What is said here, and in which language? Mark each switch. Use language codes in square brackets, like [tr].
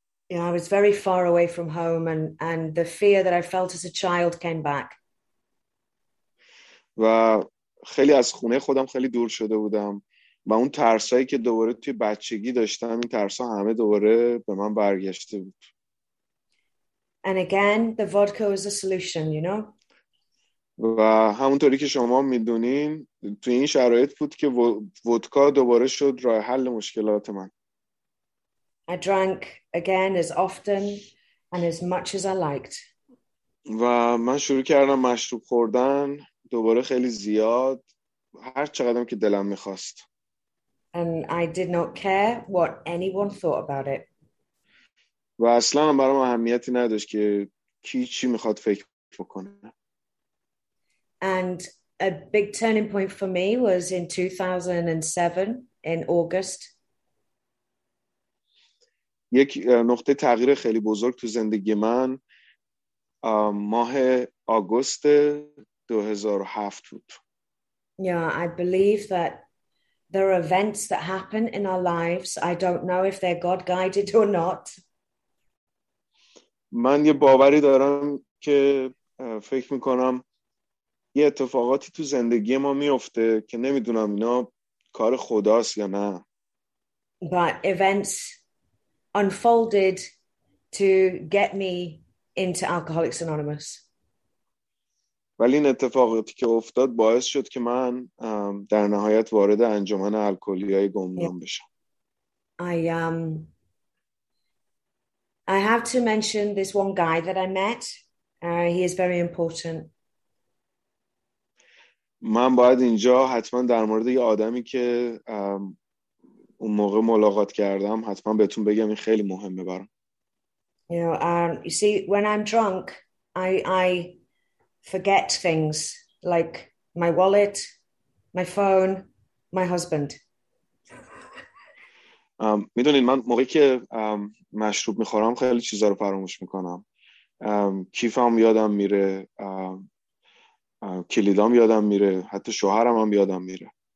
[en] You know, I was very far away from home, and the fear that I felt as a child came back. [fa] و خیلی از خونه خودم خیلی دور شده بودم و اون ترسایی که دوباره توی بچگی داشتم، این ترسا همه دوباره به من برگشته بود. [en] And again, the vodka was a solution, you know. [fa] و همونطوری که شما میدونین، توی این شرایط بود که ودکا دوباره شد راه حل مشکلات من. [en] I drank again as often and as much as I liked. [fa] و من شروع کردم مشروب خوردن دوباره خیلی زیاد، هر چقدرم که دلم میخواست. [en] And I did not care what anyone thought about it. [fa] و اصلا برام اهمیتی نداشت که کی چی میخواد فکر بکنه. [en] And a big turning point for me was in 2007 in August. [fa] یک نقطه تغییر خیلی بزرگ تو زندگی من ماه آگوست 2007 بود. [en] Yeah, I believe that there are events that happen in our lives. I don't know if they're God guided or not. [fa] من یه باوری دارم که فکر می‌کنم یه اتفاقاتی تو زندگی ما میفته که نمیدونم اینا کار خداست یا نه. [en] But events unfolded to get me into Alcoholics Anonymous. [fa] ولی این اتفاقاتی که افتاد باعث شد که من در نهایت وارد انجمن الکلی‌های گمنام بشم. [en] I have to mention this one guy that I met. He is very important. [fa] من باید اینجا حتما در مورد یه آدمی که اون موقع ملاقات کردم حتما بهتون بگم، این خیلی مهمه برام. [en] You see, when I'm drunk, I forget things like my wallet, my phone, my husband. [fa] میدونین من موقعی که مشروب میخورم خیلی چیزا رو فراموش میکنم. کیفم یادم میره، کلیدام یادم میره، حتی شوهرم هم یادم میره.